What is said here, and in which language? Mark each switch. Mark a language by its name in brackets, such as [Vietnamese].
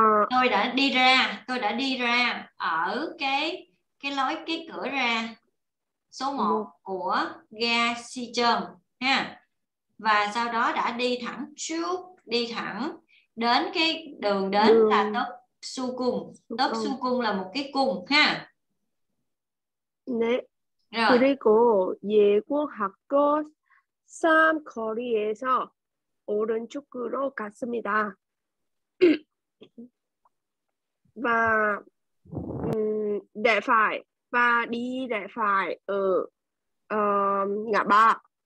[Vietnamese] Tôi đã đi ra ở cái lối cái cửa ra số 1 của ga Seacherm ha. Và sau đó đã đi thẳng trước, đi thẳng đến cái đường đến là Tốc Su Cung. Tốc Su Cung là một cái cung ha. Đấy. Rồi. [Korean] 그리고 예고 학교 3 거리에서 오른쪽으로 갔습니다. [Vietnamese] Và để phải và đi để phải ở ngã ba.